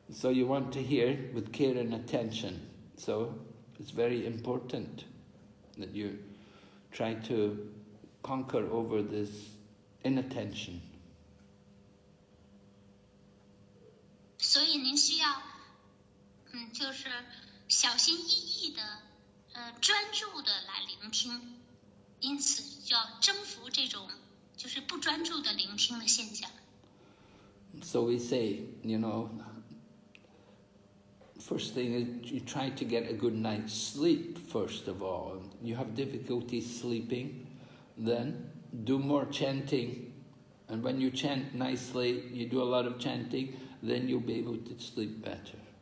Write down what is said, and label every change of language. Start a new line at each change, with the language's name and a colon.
English: you want to hear with care and attention. So it's very important that you try to conquer over this inattention.
Chinese: 所以您需要，就是小心翼翼的，专注的来聆听，因此要征服这种就是不专注的聆听的现象。
English: So we say, you know, first thing is you try to get a good night's sleep, first of all. You have difficulty sleeping, then do more chanting. And when you chant nicely, you do a lot of chanting, then you'll be able to sleep better.